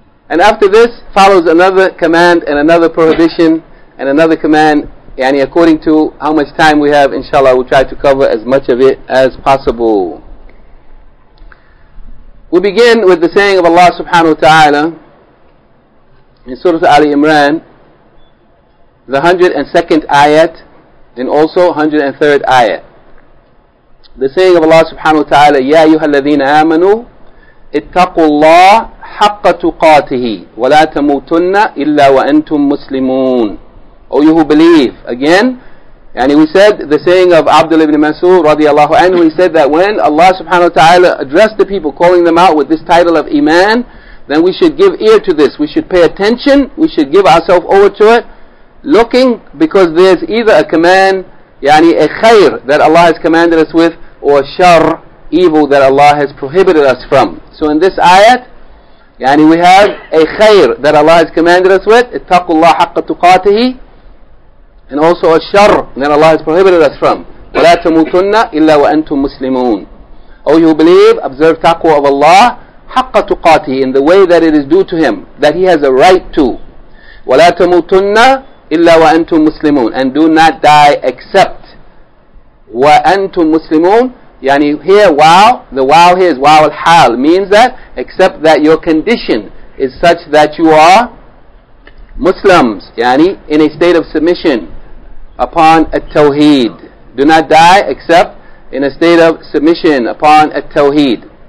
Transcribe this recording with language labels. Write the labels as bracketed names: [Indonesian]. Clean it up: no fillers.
[English] And after this follows another command and another prohibition and another command, yani according to how much time we have, inshallah we'll try to cover as much of it as possible. We begin with the saying of Allah subhanahu wa ta'ala in Surah Ali Imran, the 102nd ayat and also 103rd ayat. The saying of Allah subhanahu wa ta'ala, [Arabic] يَا أَيُّهَا الَّذِينَ آمَنُوا اتَّقُوا اللَّهَ حَقَّ تُقَاتِهِ وَلَا تَمُوتُنَّ إِلَّا وَأَنْتُمْ مُسْلِمُونَ. [English] O you who believe. Again, and we said the saying of Abdullah ibn Mas'ud radiallahu anhu, he said that when Allah subhanahu wa ta'ala addressed the people, calling them out with this title of Iman, then we should give ear to this. We should pay attention. We should give ourselves over to it. Looking, because there's either a command, yani a khair that Allah has commanded us with, or shar, evil that Allah has prohibited us from. So in this ayat, yani we have a khair that Allah has commanded us with, [Arabic] اتَّقُوا اللَّهَ حَقَّ تُقَاتِهِ, [English] and also a shar that Allah has prohibited us from. [Arabic] وَلَا تَمُوتُنَّ إِلَّا وَأَنْتُمْ مُسْلِمُونَ. [English] O you believe, observe taqwa of Allah, [Arabic] حَقَّ تُقَاتِهِ, [English] in the way that it is due to Him, that He has a right to. [Arabic] وَلَا تَمُوتُنَّ إِلَّا وَأَنْتُمْ مُسْلِمُونَ, [English] and do not die except [Arabic] وَأَنْتُمْ مُسْلِمُونَ. [English] يعني here, while, the while here is while الحال, means that except that your condition is such that you are Muslims, يعني in a state of submission upon التوحيد. Do not die except in a state of submission upon التوحيد.